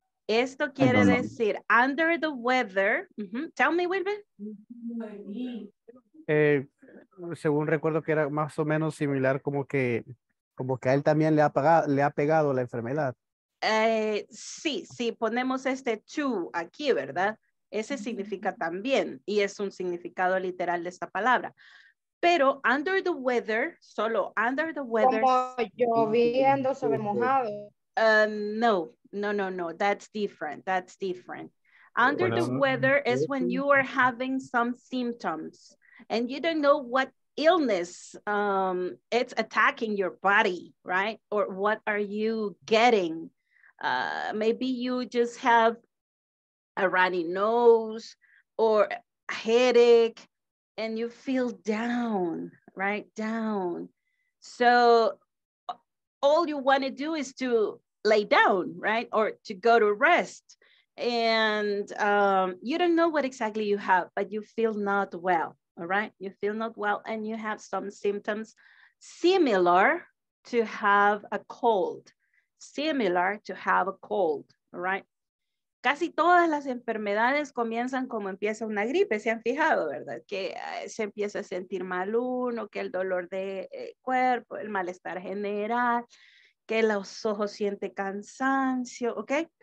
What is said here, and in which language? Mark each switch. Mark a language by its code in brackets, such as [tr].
[es] Esto quiere decir, under the weather, [en] tell me, [es] Wilber. Según recuerdo que era más o menos similar, como que a él también le ha pegado la enfermedad. Sí, ponemos este to aquí, ¿verdad? Ese significa también, y es un significado literal de esta palabra. Pero under the weather, solo under the weather. Como lloviendo sobre mojado. [en] No, that's different. Under the weather is when you are having some symptoms, and you don't know what illness it's attacking your body, right? Or what are you getting? Maybe you just have a runny nose or a headache and you feel down, right? Down. So all you want to do is to lay down, right? Or to go to rest. And you don't know what exactly you have, but you feel not well, all right? You feel not well and you have some symptoms similar to have a cold, similar to have a cold, all right? [es] Casi todas las enfermedades comienzan como empieza una gripe, se han fijado, ¿verdad? Que se empieza a sentir mal uno, que el dolor de cuerpo, el malestar general, que los ojos siente cansancio, okay?